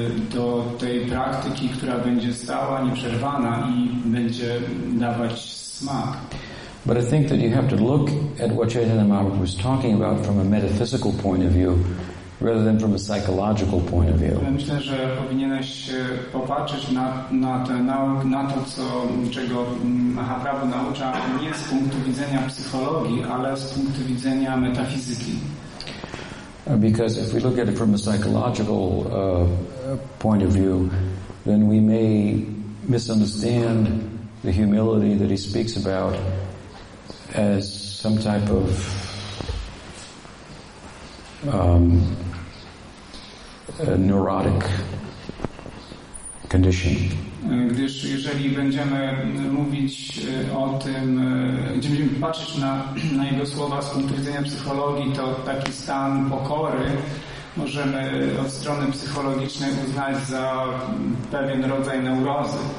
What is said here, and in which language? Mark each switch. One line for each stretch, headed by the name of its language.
Polish: Do tej praktyki, która będzie stała, nieprzerwana i będzie dawać smak.
English: But I think that you have to look at what Chaitanya Mahaprabhu was talking about from a metaphysical point of view rather than from a psychological point of view.
Polish: Myślę, że powinieneś popatrzeć na to, czego Mahaprabhu naucza, nie z punktu widzenia psychologii, ale z punktu widzenia metafizyki.
English: Because if we look at it from a psychological point of view, then we may misunderstand the humility that he speaks about as some type of neurotic condition.
Polish: Gdyż jeżeli będziemy mówić o tym, gdzie będziemy patrzeć na jego słowa z punktu widzenia psychologii, to taki stan pokory możemy od strony psychologicznej uznać za pewien rodzaj neurozy.